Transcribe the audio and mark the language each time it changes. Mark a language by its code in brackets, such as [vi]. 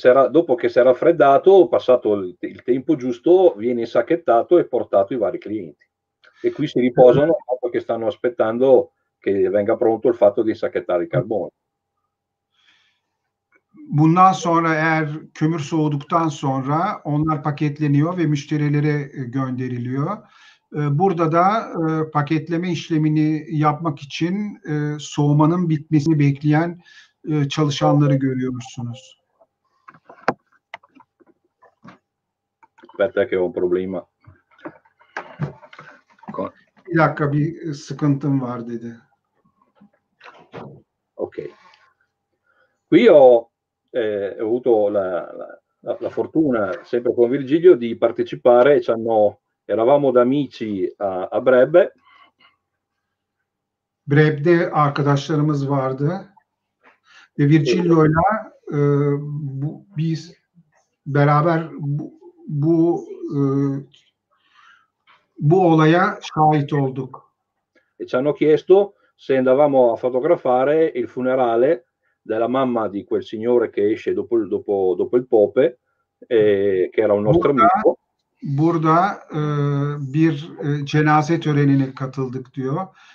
[it] dopo che si è raffreddato, passato il tempo giusto, viene insacchettato e portato ai vari clienti. E qui si riposano dopo che stanno aspettando che venga pronto il fatto di insacchettare il carbone. [tr] Bundan sonra eğer kömür soğuduktan sonra onlar paketleniyor ve müşterilere gönderiliyor. Burada da paketleme işlemini yapmak için soğumanın bitmesini bekleyen çalışanları görüyorsunuz. [it] Aspetta che ho un problema. [tr] Bir dakika, bir sıkıntım var dedi. Okay. [it] Qui ho avuto la fortuna, sempre con Virgilio, di partecipare. Eravamo da amici a Brebbe. [tr] Brebbe arkadaşlarımız vardı. Ve Virgilio'yla biz beraber bu olaya şahit olduk. [it] E ci hanno chiesto se andavamo a fotografare il funerale della mamma di quel signore che esce dopo il Pope, che era un nostro amico. [tr] Burada bir cenaze törenine katıldık diyor.